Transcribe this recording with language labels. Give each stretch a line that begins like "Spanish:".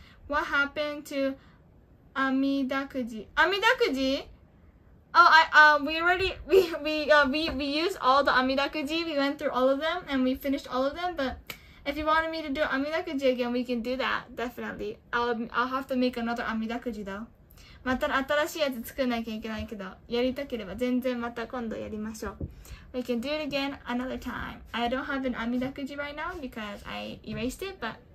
English: What happened to Amidakuji? Oh, we used all the Amidakuji. We went through all of them and we finished all of them. But if you wanted me to do Amidakuji again, we can do that, definitely. I'll have to make another Amidakuji, though.
Japanese: また新しいやつ作らなきゃいけないけど、やりたければ全然また今度やりましょう。
English: We can do it again another time. I don't have an Amidakuji right now because I erased it, but...